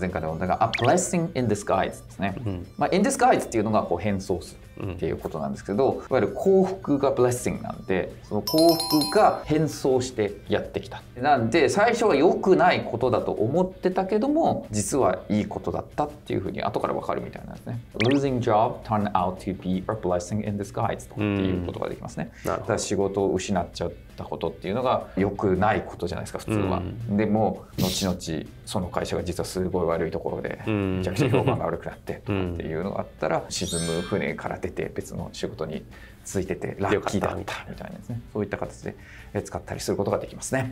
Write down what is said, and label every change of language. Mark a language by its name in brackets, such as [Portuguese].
[Japanese] 前回の問題が [English] A blessing in disguise [Japanese] ですね、うん、まあ、in disguise っていうのがこう変装するっていうことなんですけど、いわゆる幸福が blessing なんで、その幸福が変装してやってきた、なんで最初は良くないことだと思ってたけども、実はいいことだったっていう風に後から分かるみたいなんですね。 [English] Losing job turned out to be a blessing in disguise [Japanese] っていうことができますね。だから仕事を失っちゃったことっていうのが良くないことじゃないですか普通は、でも後々その会社が実はすごい悪いところでめちゃくちゃ評判が悪くなってとかっていうのがあったら、沈む船から出て別の仕事に続いててラッキーだったみたいなですね、そういった形で使ったりすることができますね。